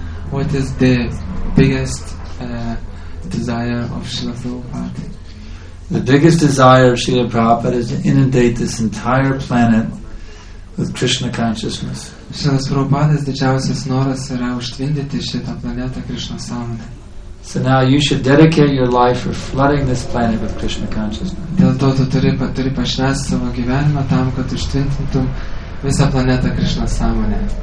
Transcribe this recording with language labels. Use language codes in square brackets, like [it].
[en] What is the biggest desire of Srila Prabhupada? The biggest desire of Srila Prabhupada is to inundate this entire planet with Krishna consciousness. [lt] Srila Prabhupada's didžiausias noras yra užtvindyti šitą planetą Krishna sąmone. [en] So now you should dedicate your life for flooding this planet with Krishna consciousness. [lt] Dėl to tu turi pašvęsti savo gyvenimą tam, kad užtvindintum visą planetą Krishna sąmone.